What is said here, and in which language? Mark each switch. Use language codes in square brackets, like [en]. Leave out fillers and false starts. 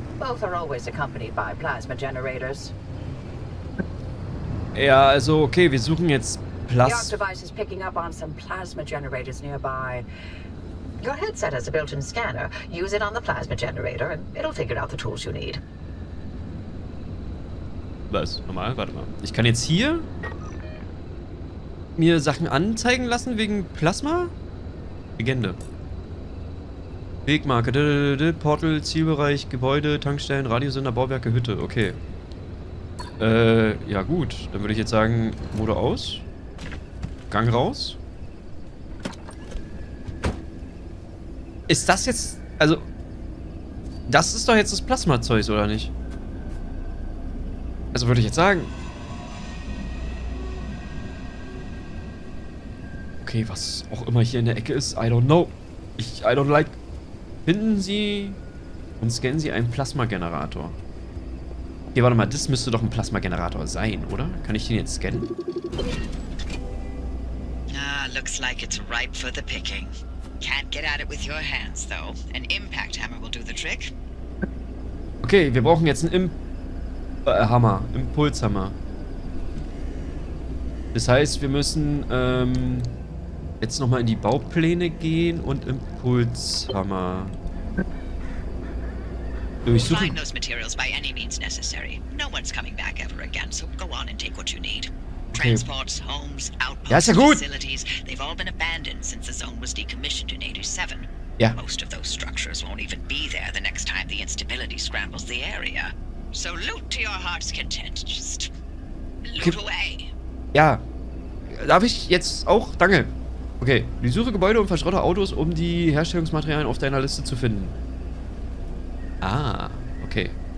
[en] Both are always accompanied by plasma generators. [de] Ja, also okay, wir suchen jetzt Plasma. [en] The Arc device is picking up on some plasma generators nearby. Your headset has a built-in scanner. Use it on the plasma generator and it'll figure out the tools you need. [de] Was? Normal? Warte mal. Ich kann jetzt hier mir Sachen anzeigen lassen wegen Plasma? Legende. Wegmarke, Portal, Zielbereich, Gebäude, Tankstellen, Radiosender, Bauwerke, Hütte. Okay. Ja gut. Dann würde ich jetzt sagen, Motor aus. Gang raus. Ist das jetzt, also, das ist doch jetzt das Plasma-Zeug, oder nicht? Also würde ich jetzt sagen. Okay, was auch immer hier in der Ecke ist, [en] I don't know. I don't like. [de] Finden Sie und scannen Sie einen Plasma-Generator. Okay, warte mal, das müsste doch ein Plasma-Generator sein, oder? Kann ich den jetzt scannen? [en] Ah, looks like it's ripe for the picking. Can't get at it with your hands, though. An impact hammer will do the trick. [de] Okay, wir brauchen jetzt einen Hammer. Impulshammer. Das heißt, wir müssen jetzt nochmal in die Baupläne gehen und Impulshammer durchsuchen. [en] Find those materials by any means necessary. No one's coming back ever again, so go on and take what you need. Transports, homes, outposts, [de] ja, ja gut. [en] Facilities, they've all been abandoned since the zone was decommissioned in 87. [de] Ja. [en] Most of those structures won't even be there the next time the instability scrambles the area. So loot to your heart's content, just loot away. [de] Ja, darf ich jetzt auch? Danke. Okay, die suche Gebäude und verschrottete Autos, um die Herstellungsmaterialien auf deiner Liste zu finden. Ah, okay.